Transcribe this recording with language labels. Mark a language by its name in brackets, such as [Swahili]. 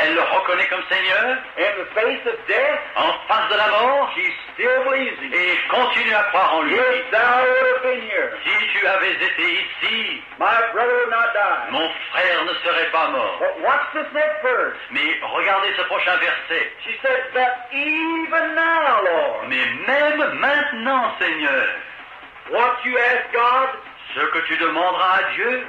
[French] Elle le reconnaît comme Seigneur. [English] In the face of death. [French] En face de la mort. [English] She still believes him. [French] Et continue à croire en lui. [English] If thou would have been here. [French] Si tu avais été ici. [English] My brother would not die. [French] Mon frère ne serait pas mort. [English] But watch this next verse. [French] Mais regardez ce prochain verset. [English] She said, but even now, Lord. [French] Mais même maintenant, Seigneur. [English] What you ask God, [French] ce que tu demanderas à Dieu,